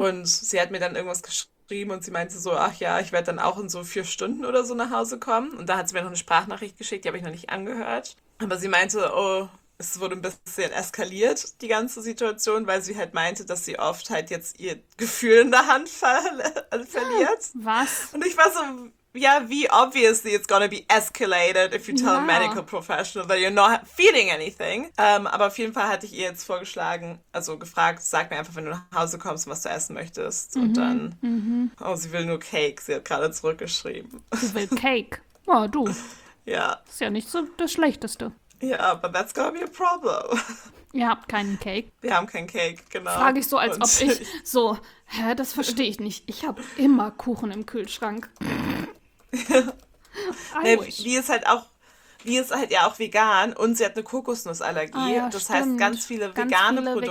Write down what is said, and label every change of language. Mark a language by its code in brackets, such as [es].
[de] Und sie hat mir dann irgendwas geschrieben. Und sie meinte so, ach ja, ich werde dann auch in so 4 Stunden oder so nach Hause kommen. Und da hat sie mir noch eine Sprachnachricht geschickt, die habe ich noch nicht angehört. Aber sie meinte, oh, es wurde ein bisschen eskaliert, die ganze Situation, weil sie halt meinte, dass sie oft halt jetzt ihr Gefühl in der Hand verliert. Was? Und ich war so, ja, wie [en] obviously it's gonna be escalated if you tell a medical professional that you're not feeling anything. [de] Aber auf jeden Fall hatte ich ihr jetzt vorgeschlagen, also gefragt, sag mir einfach, wenn du nach Hause kommst, was du essen möchtest. Mhm. Und dann, mhm. Oh, sie will nur Cake, sie hat gerade zurückgeschrieben. Sie will Cake? Oh, du. Ja. Ist ja nicht so das Schlechteste. [en] Ja, yeah, but that's gonna be a problem. [de] Ihr habt keinen Cake. Wir haben keinen Cake, genau. Frage ich so, als ob ich so, hä, das verstehe ich nicht. Ich habe immer Kuchen im Kühlschrank. Ja. Wie ist halt auch vegan und sie hat eine Kokosnussallergie. Ah, ja, das stimmt. Heißt, ganz viele vegane Produkte